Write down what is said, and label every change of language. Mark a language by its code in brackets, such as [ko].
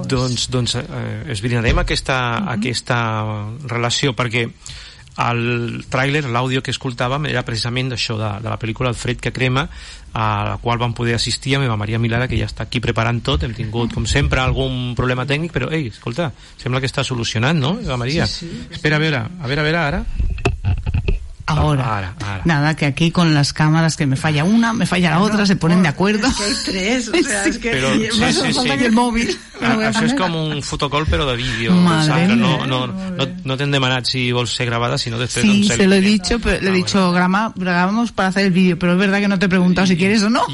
[ca] Doncs esbrinarem aquesta relació, perquè el tràiler, l'àudio que escoltàvem, era precisament d'això, de la pel·lícula El fred que crema, a la qual vam poder assistir amb la Maria Milada, que ja està aquí preparant tot. Hem tingut, com sempre, algun problema tècnic, però, ei, escolta, sembla que està solucionant, no, Eva Maria? Sí, sí. Espera, a veure, ara... [es] Ahora. Nada, que aquí con las cámaras, que me falla una, me falla la otra, se ponen de acuerdo. Es que hay tres, o sea, sí. Es que pero, sí. El móvil. [ca] Això és com un fotocall, però de vídeo. [es] Madre mía. [ca] No te han demanat si vols ser gravada, [es] sino después. Sí, se lo he dicho, pero le he dicho, grabamos para hacer el vídeo, pero es verdad que no te he preguntado si quieres o no.